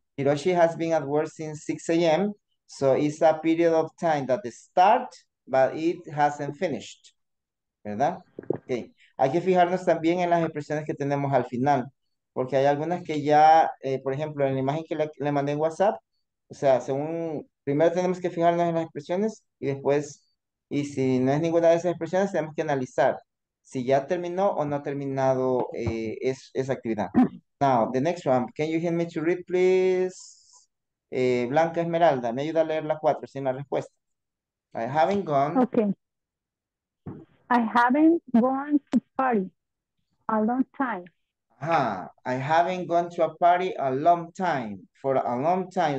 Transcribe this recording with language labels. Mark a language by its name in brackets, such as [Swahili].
[English] Hiroshi has been at work since 6 a.m. So it's a period of time that starts, but it hasn't finished. [Spanish] ¿Verdad? Ok. Hay que fijarnos también en las expresiones que tenemos al final. Porque hay algunas que ya, por ejemplo, en la imagen que le mandé en WhatsApp, o sea, según, primero tenemos que fijarnos en las expresiones y después, y si no es ninguna de esas expresiones, tenemos que analizar si ya terminó o no ha terminado esa actividad. [English] Now, the next one, can you help me to read, please? [Spanish] Blanca Esmeralda, me ayuda a leer la 4 sin la respuesta. [English] I haven't gone. Okay. I haven't gone to party a long time. I haven't gone to a party a long time. For a long time.